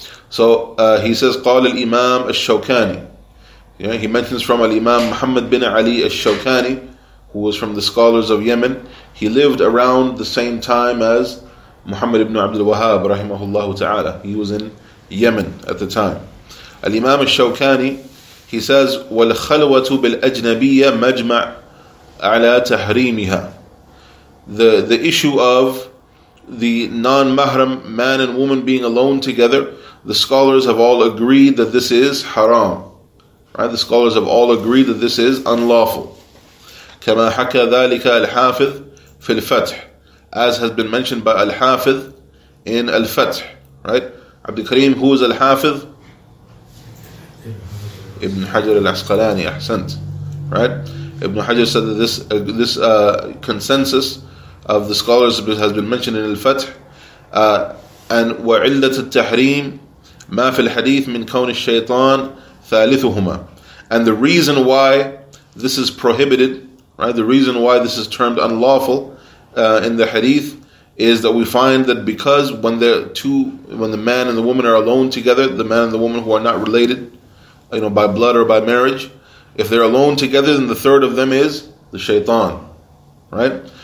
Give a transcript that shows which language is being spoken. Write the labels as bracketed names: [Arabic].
[English] So he says, [Arabic] قال الإمام الشوكاني. [English] Yeah, he mentions from Al-Imam Muhammad bin Ali al-Shawkani, who was from the scholars of Yemen. He lived around the same time as Muhammad ibn Abdul Wahhab, rahimahullah ta'ala. He was in Yemen at the time. Al-Imam al-Shawkani, he says, [Arabic] وَالْخَلْوَةُ بِالْأَجْنَبِيَّ مَجْمَعْ عَلَىٰ تَحْرِيمِهَا. [English] The issue of the non-mahram, man and woman being alone together, the scholars have all agreed that this is haram. Right? The scholars have all agreed that this is unlawful. [Arabic] كما حكى ذلك الحافظ في الفتح, [English] as has been mentioned by الحافظ in الفتح. Right? عبد الكريم, who is الحافظ? Ibn Hajar al-Asqalani, [Arabic] أحسنت. [English] Right? Ibn Hajar said that this consensus of the scholars has been mentioned in الفتح. [Arabic] And وعلة التحريم ما في الحديث من كون الشيطان ثالثهما. [English] And the reason why this is prohibited, right? The reason why this is termed unlawful in the hadith is that we find that because when the man and the woman are alone together, the man and the woman who are not related, you know, by blood or by marriage, if they're alone together, then the third of them is the shaitan, right?